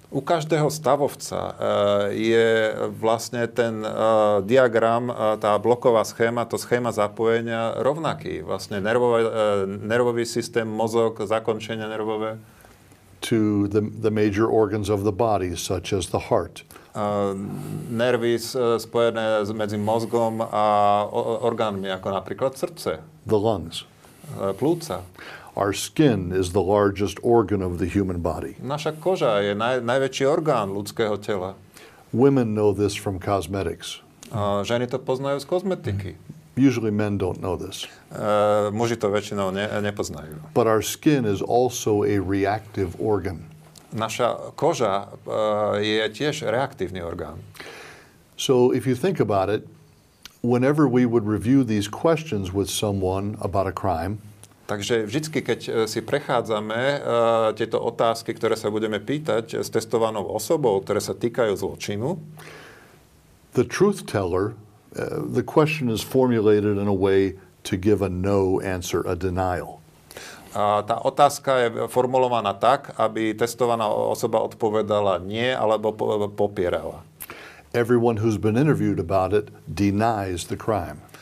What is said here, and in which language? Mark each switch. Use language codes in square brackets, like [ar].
[sk] U každého stavovca je vlastne ten diagram, tá bloková schéma, to schéma zapojenia rovnaký. Vlastne nervový systém, mozog, zakončenie nervové. [en] To the major organs of the body, such as the heart. [sk] Nervy spojené medzi mozgom a orgánmi, ako napríklad srdce. [en] The lungs. [sk] Plúca. [en] Our skin is the largest organ of the human body. [sk] Naša koža je najväčší orgán ľudského tela. [en] Women know this from cosmetics. [sk] Ženy to poznajú z kozmetiky. [en] Usually men don't know this. [sk] Muži to väčšinou nepoznajú. [en] But our skin is also a reactive organ. [sk] naša koža je tiež reaktívny orgán. [en] So if you think about it, whenever we would review these questions with someone about a crime, [sk] takže vždycky, keď si prechádzame tieto otázky, ktoré sa budeme pýtať s testovanou osobou, ktoré sa týkajú zločinu, [en] the truth teller, the question is formulated in a way to give a no answer, a denial. [sk] A tá otázka je formulovaná tak, aby testovaná osoba odpovedala nie alebo popierala. [en] Everyone who's been interviewed about it denies the crime.